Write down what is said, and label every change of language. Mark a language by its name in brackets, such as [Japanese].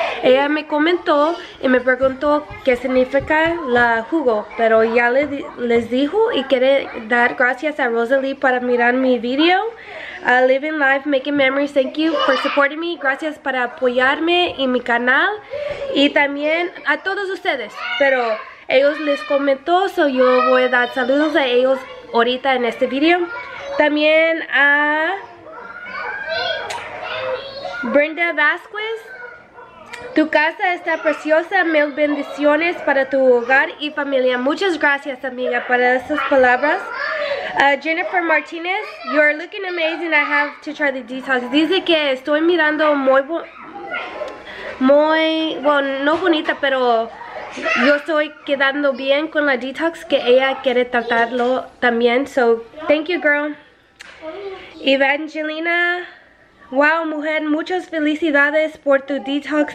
[Spanish] Ella me comentó y me preguntó qué significa la jugo, pero ya les dijo, y quiere dar gracias a Rosalie por mirar mi video. [English] Living Life, Making Memories, thank you for supporting me. [Spanish] Gracias por apoyarme en mi canal. Y también a todos ustedes, pero ellos les comentó, so yo voy a dar saludos a ellos ahorita en este video. También a Brenda Vasquez. Tu casa está preciosa, mil bendiciones para tu hogar y familia. Muchas gracias, amiga, para esas palabras. [English] Jennifer Martinez, you are looking amazing, I have to try the detox. [Spanish] Dice que estoy mirando no bonita, pero yo estoy quedando bien con la detox, que ella quiere tratarlo también. [English] So, thank you, girl. [Spanish] Evangelina, wow, mujer, muchas felicidades por tu detox.